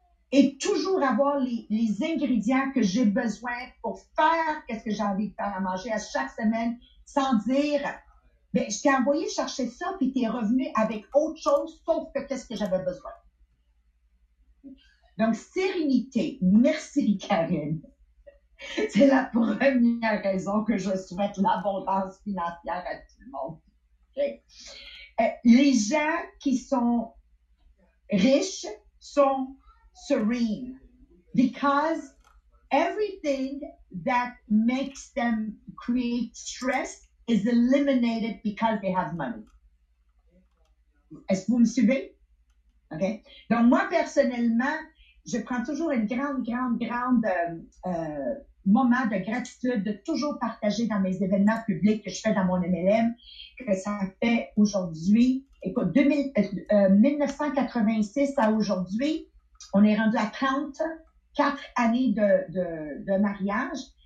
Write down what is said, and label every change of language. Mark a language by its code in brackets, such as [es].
[fr] et toujours avoir les ingrédients que j'ai besoin pour faire qu'est-ce que j'ai envie de faire à manger à chaque semaine sans dire ben je t'ai envoyé chercher ça puis t'es revenu avec autre chose sauf que qu'est-ce que j'avais besoin. Donc sérénité, merci Karine. C'est la première raison que je souhaite l'abondance financière à tout le monde. Okay. Les gens qui sont riches sont [en] serene because everything that makes them create stress is eliminated because they have money. [fr] Est-ce que vous me suivez? Okay. Donc moi personnellement, je prends toujours une grande moment de gratitude de toujours partager dans mes événements publics que je fais dans mon MLM, que ça fait aujourd'hui, écoute, 1986 à aujourd'hui, on est rendu à 34 années de mariage,